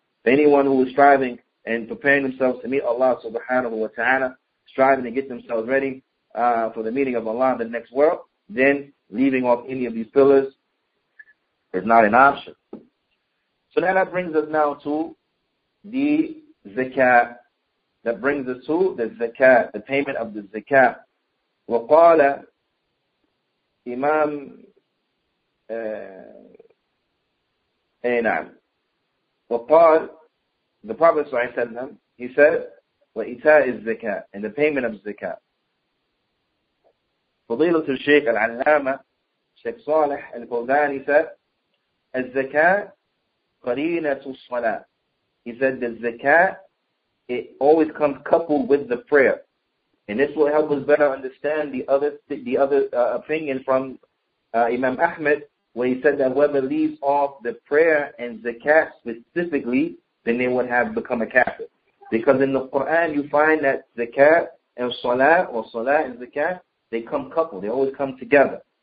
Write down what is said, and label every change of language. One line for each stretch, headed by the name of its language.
English: Anyone who is striving and preparing themselves to meet Allah subhanahu wa ta'ala, striving to get themselves ready for the meeting of Allah in the next world, then leaving off any of these pillars is not an option. So now that brings us now to the zakat that brings us to the zakat, the payment of the zakat.
Arabic: وقال إمام أي نعم وقال
English: the Prophet
Arabic: صلى الله عليه وسلم
English: he said
Arabic: وإيتاء الزكاة
English: and the payment of
Arabic: الزكاة فضيلة الشيخ العلامة الشيخ صالح الفوزان
English: said
Arabic: الزكاة قرينة الصلاة
English: he said the zakat it always comes coupled with the prayer. And this will help us better understand the other opinion from Imam Ahmed, where he said that whoever leaves off the prayer and zakat specifically, then they would have become a kafir. Because in the Quran, you find that zakat and salah, or salah and zakat, they come coupled. They always come together.